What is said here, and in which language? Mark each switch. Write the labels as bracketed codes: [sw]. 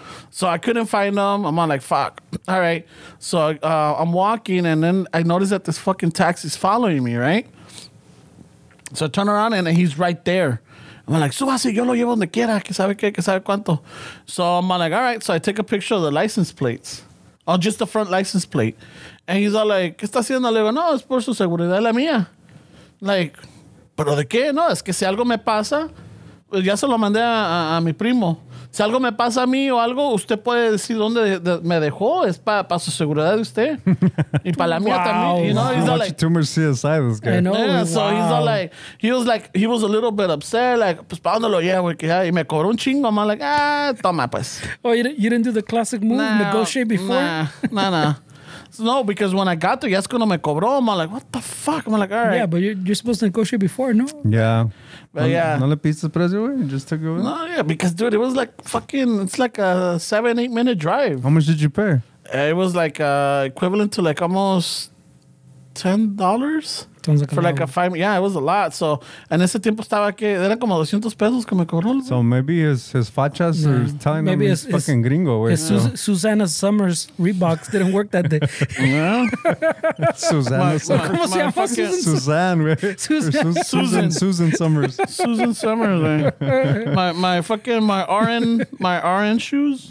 [en] So I couldn't find them. I'm like, fuck. All right. So I'm walking, and then I notice that this fucking taxi's following me, right? So I turn around, and he's right there. I'm like, [es] súbase, yo lo llevo donde quiera, que sabe qué, que sabe cuánto. [en] So I'm like, all right. So I take a picture of the license plates, or just the front license plate. And he's all like, [es] ¿qué está haciendo? Le digo, no, es por su seguridad, la mía. Like, ¿pero de qué? No, es que si algo me pasa, pues ya se lo mandé a mi primo. Si algo me pasa a mí o algo, usted puede decir dónde me dejó. Es para pa su seguridad de usted. Y para la mía wow. también. [en] You know, he's all like, too much CSI, this guy. I know. Yeah, wow. So he's all like, he was a little bit upset. [es] Like, pues, ¿para dónde lo llevo? Y me cobró un chingo. [en] I'm like, [es] ah, toma, pues. [en] Oh, you didn't do the classic move, nah, negotiate before? Nah. No, because when I got there, [es] ya es cuando me cobró. [en] I'm like, what the fuck? I'm like, all right. Yeah, but you're supposed to negotiate before, no? Yeah. But yeah. [es] No le piste el precio, güey? [en] Just took it away? No, yeah, because, dude, it was like fucking, it's like a 7-8 minute drive. How much did you pay? It was like equivalent to like almost $10. Sounds like for a like dollar. A 5, yeah, it was a lot. [es] So, en ese tiempo estaba que, era como 200 pesos que me cobró. [en] So maybe his fachas yeah. are telling maybe him he's fucking gringo. Wait, his Susanna Summers Reeboks didn't work that day. Yeah. Susanna [es] Summers. ¿Cómo se llama Susan? [en] Susan Summers. Susan Summers, man. My RN shoes.